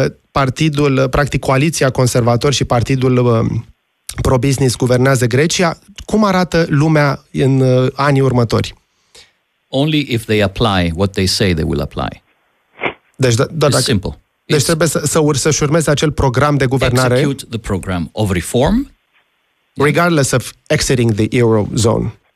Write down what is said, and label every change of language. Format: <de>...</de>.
<ro>Partidul, practic, coaliția conservatori și partidul... pro-business guvernează Grecia, cum arată lumea în anii următori?</ro> <en>Only if they apply what they say they will apply.</en> <ro>Deci,</ro> <en>It's simple.</en> <ro>Deci trebuie să-și urmeze acel program de guvernare.</ro> <en>Execute the program of reform. Regardless of exiting the eurozone.</en>